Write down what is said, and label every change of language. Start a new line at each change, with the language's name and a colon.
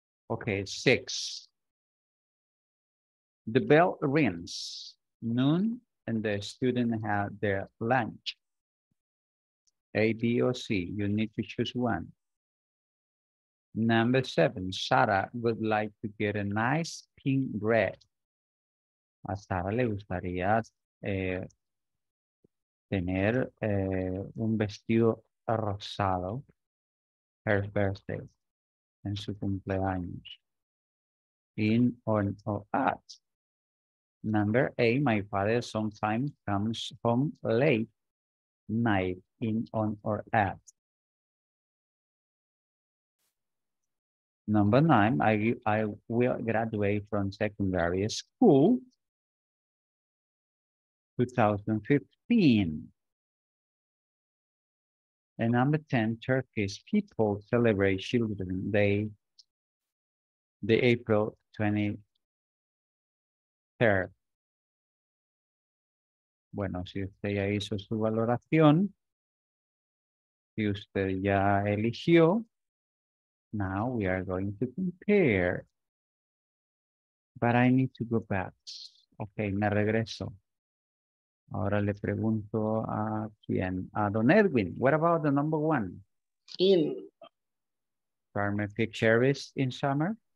English: Okay, six. The bell rings noon. And the student had their lunch. A, B, or C. You need to choose one. Number seven. Sarah would like to get a nice pink dress.
Spanish: A Sarah le gustaría tener un vestido rosado.
English: Her birthday.
Spanish: En su cumpleaños.
English: In, on, or at. Number A, my father sometimes comes home late night, in, on, or at. Number nine, I will graduate from secondary school 2015. And number 10, Turkish people celebrate Children's Day, the April 20th.
Spanish: Bueno, si usted ya hizo su valoración, si usted ya eligió,
English: now we are going to compare. But I need to go back.
Spanish: Okay, me regreso. Ahora le pregunto a quién, a Don Edwin.
English: What about the number one? In. Farmer pick cherries in summer?